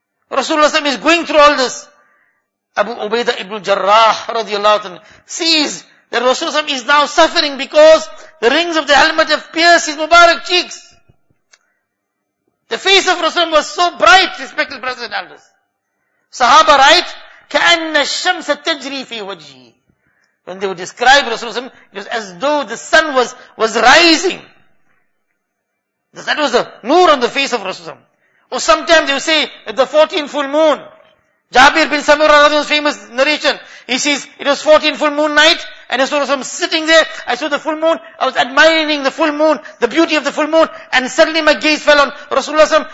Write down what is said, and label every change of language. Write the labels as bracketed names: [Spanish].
[English] Rasulullah is going through all this. Abu Ubaidah ibn Jarrah radiallahu anhu sees that Rasulullah is now suffering because the rings of the helmet have pierced his Mubarak cheeks. The face of Rasulullah was so bright, respected brothers and elders. [Arabic] Sahaba write, كَأَنَّ الشَّمْسَ تَجْرِي فِي وَجْهِ. [English] When they would describe Rasulullah, it was as though the sun was rising. That was the noor on the face of Rasulullah. Or sometimes they would say, the 14 full moon. Jabir bin Samurah's famous narration. He says, it was 14 full moon night, and I saw Rasulullah sitting there, I saw the full moon, I was admiring the full moon, the beauty of the full moon, and suddenly my gaze fell on Rasulullah.